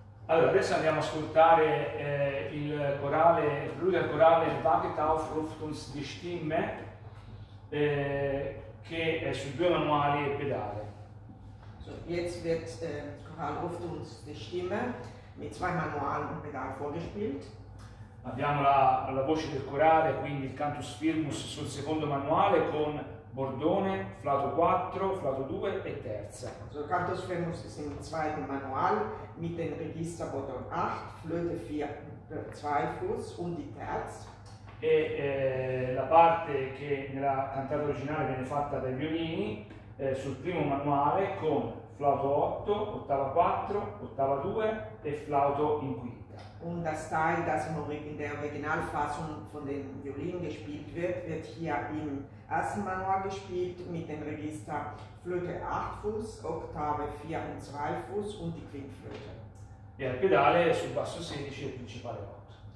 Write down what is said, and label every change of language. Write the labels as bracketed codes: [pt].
[it] Andiamo a ascoltare il corale, il Brüder corale Wacht auf, ruft uns die Stimme, che è su due manuali e pedale. [de] So, jetzt wird Choral ruft uns die Stimme mit zwei Manualen und Pedal vorgespielt. [it] Abbiamo la voce del corale, quindi il cantus firmus sul secondo manuale con bordone, flauto 4, flauto 2 e terza. [de] So, cantus firmus ist im zweiten Manual mit dem Register bordone 8, flöte 4, 2 Fuß und die Terz. [it] E la parte che nella cantata originale viene fatta dai violini sul primo manuale con flauto 8, ottava 4, ottava 2 e flauto in quinta. [de] Und das Teil, das in der Originalfassung von den Violinen gespielt wird, wird hier im ersten Manual gespielt mit dem Register Flöte 8 Fuß, Oktave 4 und 2 Fuß und die Quintflöte. [it] E al pedale sul basso 16 e principale 8.